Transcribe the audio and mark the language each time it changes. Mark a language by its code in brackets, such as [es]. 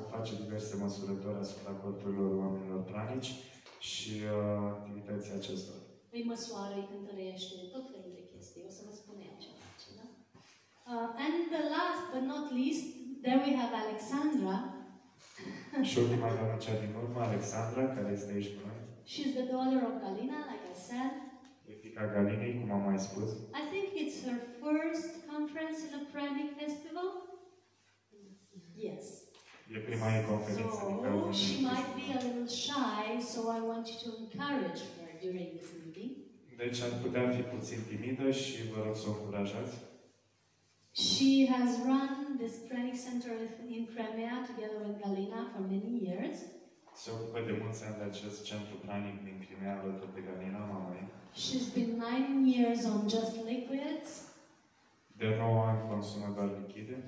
[ro] Face diverse măsurători asupra corpurilor oamenilor pranici și activității acestor. Îi măsoară, îi cântărește, tot felul de chestii. O să vă spun eu ceva. [en] And the last but not least, there we have Alexandra. [ro] Și ultima doamnă cea din urmă, Alexandra, care este aici cu noi. [en] She's the daughter of Galina, like I said. [ro] E fiica Galinei, cum am mai spus. [en] I think it's her first conference in a Pranic Festival. Yes. [ro] E prima ei conferință. [en] So, [ro] adică [en] she might be a little shy, so I want you to encourage her during this meeting. [ro] Deci ar putea fi puțin timidă și vă rog să o încurajați. [en] She has run this Pranic Center in Crimea together with Galina for many years. [ro] Se ocupă de mulți ani de acest centru pranic din Crimea alături de Galina, mama mea. [en] She's been 9 years on just liquids. [ro] De 9 ani consumă doar lichide.